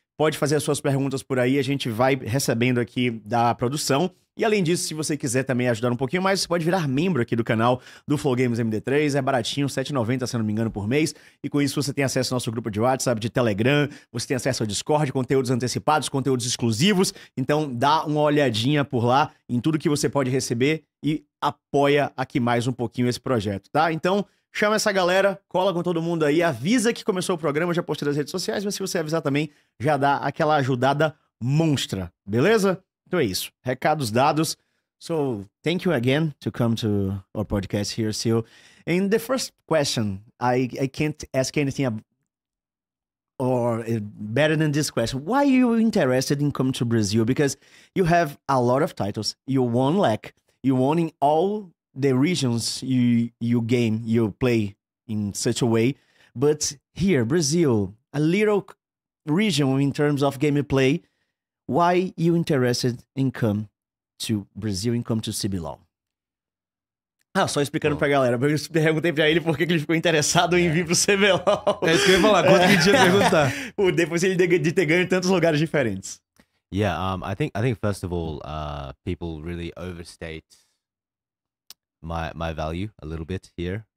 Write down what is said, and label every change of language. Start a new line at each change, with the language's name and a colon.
Portuguese: pode fazer as suas perguntas por aí, a gente vai recebendo aqui da produção, e além disso, se você quiser também ajudar um pouquinho mais, você pode virar membro aqui do canal do Flow Games MD3, é baratinho, R$7,90, se não me engano, por mês, e com isso você tem acesso ao nosso grupo de WhatsApp, de Telegram, você tem acesso ao Discord, conteúdos antecipados, conteúdos exclusivos, então dá uma olhadinha por lá em tudo que você pode receber e apoia aqui mais um pouquinho esse projeto, tá? Então, chama essa galera, cola com todo mundo aí, avisa que começou o programa, já postei nas redes sociais, mas se você avisar também, já dá aquela ajudada monstra, beleza? Então é isso, recados dados.
English: So, thank you again to come to our podcast here, SeeEl. And the first question, I can't ask anything better than this question. Why are you interested in coming to Brazil? Because you have a lot of titles, you won LEC, you won in all the regions you game, you play in such a way. But here, Brazil, a little region in terms of gameplay, why are you interested in come to Brazil and come to CBLOL?
Portuguese: Ah, só explicando pra galera, eu perguntei pra ele por que ele ficou interessado em vir pro CBLOL. É isso que eu ia falar, quanto que tinha perguntar. Depois ele de ter ganho em tantos lugares diferentes.
English: Yeah, I think first of all, people really overstate my value a little bit here.